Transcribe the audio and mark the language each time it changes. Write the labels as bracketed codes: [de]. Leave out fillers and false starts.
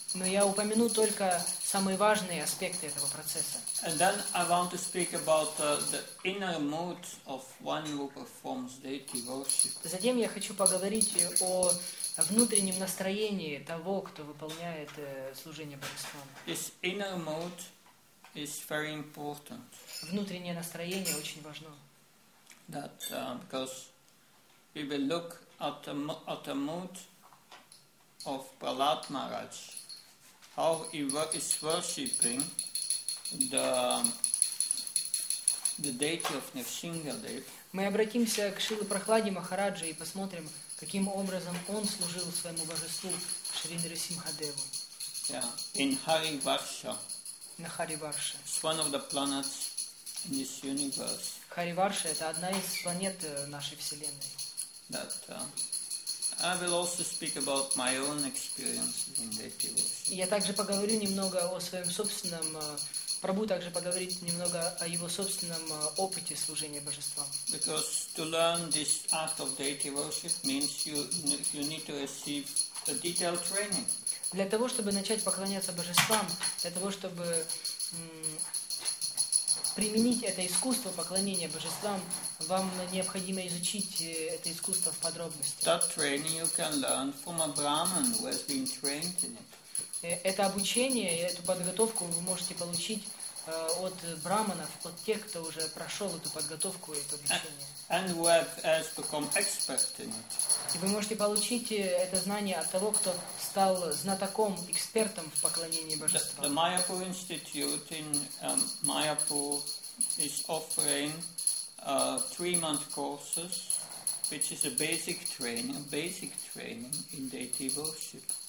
[ru] Но я упомяну только самые важные аспекты этого процесса. [en] And then I want to speak about the inner mood of one who performs deity worship. [ru] Затем я хочу поговорить о внутреннем настроении того, кто выполняет служение божествам. [en] This inner mood is very important. [ru] Внутреннее настроение очень важно. [en] That because we will look at the mood of Prahlad Maharaj, how he is worshipping the deity of Narsingadev. [ru] Мы обратимся к Шриле Прахладе Махараджи и посмотрим, каким образом он служил своему божеству Шри Нарасимхадеву. [en] Yeah, in Hari Varsha. [ru] На Хари Варше. [en] It's one of the planets in this universe. [ru] Хари Варша — это одна из планет нашей Вселенной. [en] That, I will also speak about my own experiences in deity worship. [ru] Я также поговорю немного о своем собственном. Прабу также поговорит немного о его собственном опыте служения божествам. [en] Because to learn this art of deity worship means you need to receive a detailed training. [ru] Для того чтобы начать поклоняться божествам, для того чтобы применить это искусство поклонения божествам, вам необходимо изучить это искусство в подробности. [en] That training you can learn from a Brahman who has been trained in it. [ru] Это обучение, эту подготовку вы можете получить от брахманов, от тех, кто уже прошел эту подготовку, это обучение. [en] And who has become expert in it. [ru] И вы можете получить это знание от того, кто стал знатоком, экспертом в поклонении божествам. [en] The Mayapur Institute in Mayapur is offering 3-month courses, which is a basic training in deity worship.